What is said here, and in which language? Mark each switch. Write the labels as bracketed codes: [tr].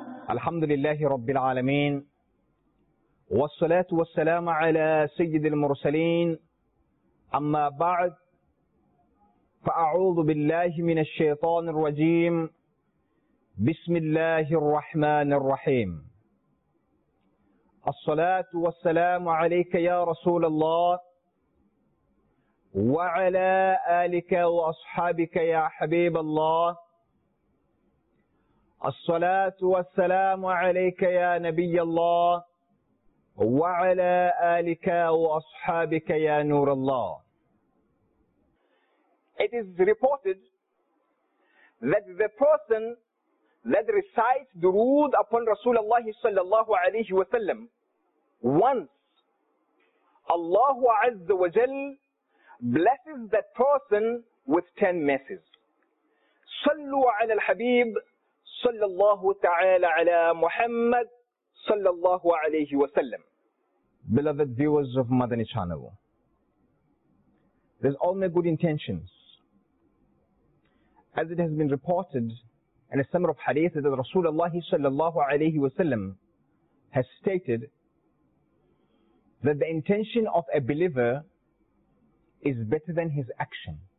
[ar] الحمد لله رب العالمين والصلاة والسلام على سيد المرسلين أما بعد فأعوذ بالله من الشيطان الرجيم بسم الله الرحمن الرحيم الصلاة والسلام عليك يا رسول الله وعلى آلك وأصحابك يا حبيب الله الصلاة والسلام عليك يا نبي الله وعلى آلك وأصحابك يا نور الله. [en] It is reported that the person that recites durood upon Rasulullah sallallahu alayhi wa sallam once Allah azza wa jal blesses that person with 10 messes. [ar] Sallu ala al-habib صلى الله تعالى على محمد صلى الله عليه وسلم. [en] Beloved viewers of Madani Channel, there's all my good intentions. As it has been reported in a summary of hadith that Rasulullah صلى الله عليه وسلم has stated that the intention of a believer is better than his action.